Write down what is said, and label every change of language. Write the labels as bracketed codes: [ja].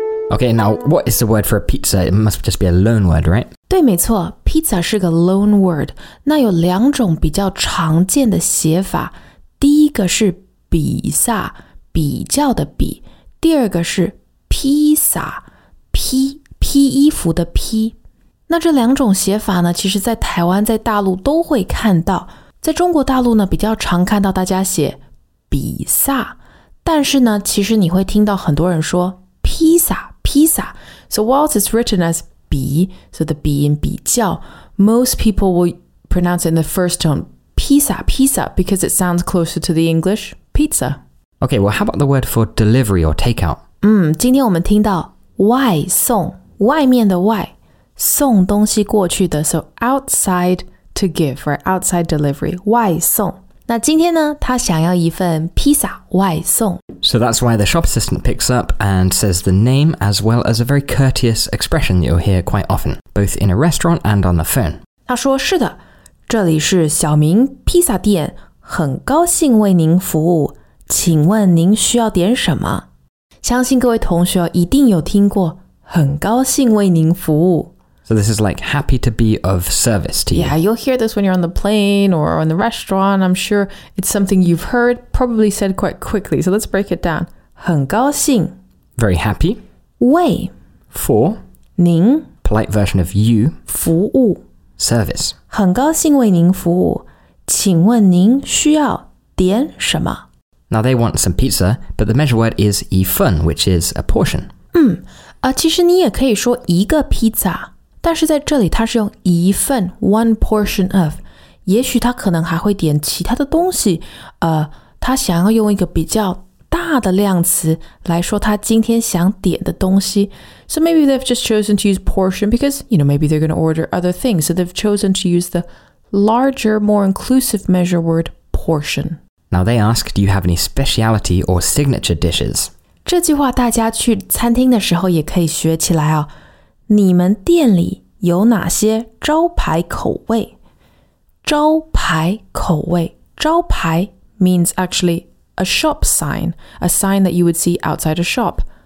[en] Okay, now what is the word for a pizza? It must just be a loan word, right? [zh] 对，没错， pizza 是个 loan word。那有两种比较常见的写法。第一个是比萨，比较的比。第二个是披萨，披衣服的披。那这两种写法呢，其实在台湾在大陆都会看到。在中国大陆呢，比较常看到大家写比萨，但是呢，其实你会听到很多人说披萨，披萨。 [en] So whilst it's written as 比, so the 比 in 比较, most people will pronounce it in the first tone, 披萨, 披萨, because it sounds closer to the English pizza. Okay, well how about the word for delivery or takeout? [zh] 今天我们听到外送，外面的外。送东西过去的 [en] so outside to give, right? Outside delivery, 外送。 [zh] 那今天呢，他想要一份披萨外送。 [en] So that's why the shop assistant picks up and says the name as well as a very courteous expression you'll hear quite often, both in a restaurant and on the phone. [zh] 他说，是的，这里是小明披萨店，很高兴为您服务，请问您需要点什么？相信各位同学一定有听过，很高兴为您服务。 [en] So this is like happy to be of service to you. Yeah, you'll hear this when you're on the plane or in the restaurant. I'm sure it's something you've heard, probably said quite quickly. So let's break it down. 很高兴. Very happy. [zh] 为. [en] For. [zh] 您. [en] Polite version of you. [zh] 服务. [en] Service. [zh] 很高兴为您服务。请问您需要点什么? [en] Now they want some pizza, but the measure word is 一份, which is a portion. [zh] 其实你也可以说一个披萨。但是在这里它是用一份 [en] one portion of, [zh] 也许它可能还会点其他的东西，它想要用一个比较大的量词来说它今天想点的东西。 [en] So maybe they've just chosen to use portion because, you know, maybe they're going to order other things. So they've chosen to use the larger, more inclusive measure word portion. Now they ask, do you have any speciality or signature dishes? [zh] 这句话大家去餐厅的时候也可以学起来哦。你们店里有哪些招牌口味？ [en] 招牌口味，招牌 means actually a shop sign, a sign that you would see outside a shop.